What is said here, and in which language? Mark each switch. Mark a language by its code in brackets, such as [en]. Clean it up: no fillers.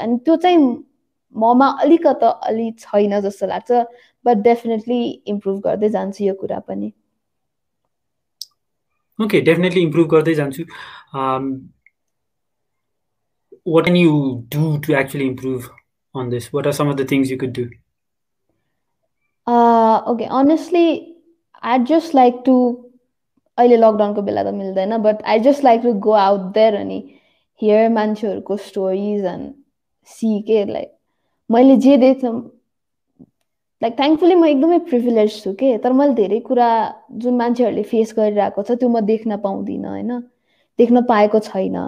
[ne] अनि त्यो चाहिँ ममा अलिकत अलि छैन जस्तो लाग्छ, [en] but definitely improve [ne] गर्दै जान्छु यो कुरा पनि. [en] okay, definitely improve [ne] गर्दै जान्छु. [en] What can you do to actually improve on this? What are some of the things you could do? Okay, honestly I just like to, [ne] अहिले लकडाउनको बेला त मिल्दैन, [en] but I just like to go out there [ne] अनि [en] here [ne] मान्छेहरूको [en] stories and see [ne] के like मैले जे देख्छ [en] like thankfully [ne] म एकदमै प्रिभिलेज छु के, तर मैले धेरै कुरा जुन मान्छेहरूले फेस गरिरहेको छ त्यो म देख्न पाउँदिनँ होइन, देख्न पाएको छैन.